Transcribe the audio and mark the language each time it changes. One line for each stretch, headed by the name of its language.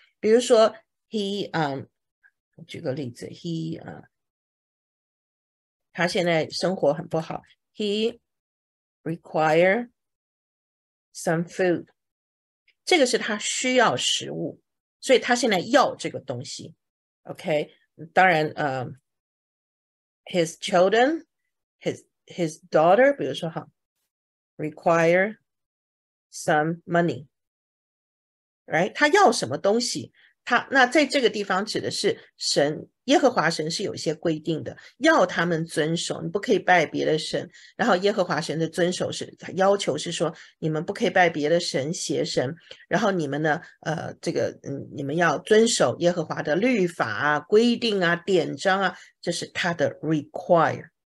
Chinese: 比如说举个例子他现在生活很不好，
English: he require some food。
Chinese: 这个是他需要食物，所以他现在要这个东西。
English: OK，
Chinese: 当然，
English: his children, his daughter，
Chinese: 比如说哈，
English: require some money，right？
Chinese: 他要什么东西？那在这个地方指的是神，耶和华神是有一些规定的，要他们遵守，你不可以拜别的神。然后耶和华神的遵守是，他要求是说，你们不可以拜别的神、邪神。然后你们呢，你们要遵守耶和华的律法啊、规定啊、典章啊，这是他的 require。